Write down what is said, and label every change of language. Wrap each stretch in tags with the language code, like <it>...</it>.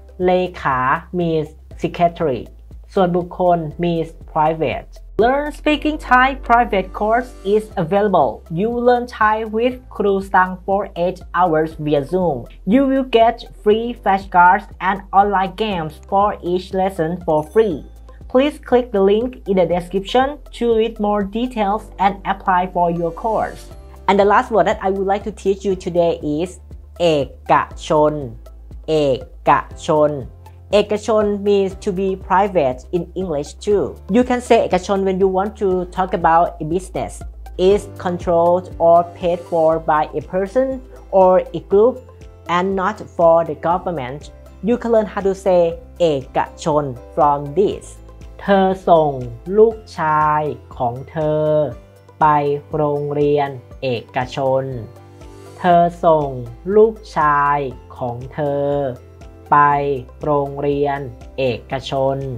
<en>เลขา means secretary ส่วนบุคคล means private Learn speaking Thai private course is available You learn Thai with Kru Sang for 8 hours via Zoom You will get free flashcards and online games for each lesson for freePlease click the link in the description to read more details and apply for your course. And the last word that I would like to teach you today is เอกชน เอกชน เอกชน means to be private in English too. You can say เอกชน when you want to talk about a business. It's controlled or paid for by a person or a group and not for the government. You can learn how to say เอกชน from this.</en> <th>เธอส่งลูกชายของเธอไปโรงเรียนเอกชนเธอส่งลูกชายของเธอไปโรงเรียนเอกชน</th>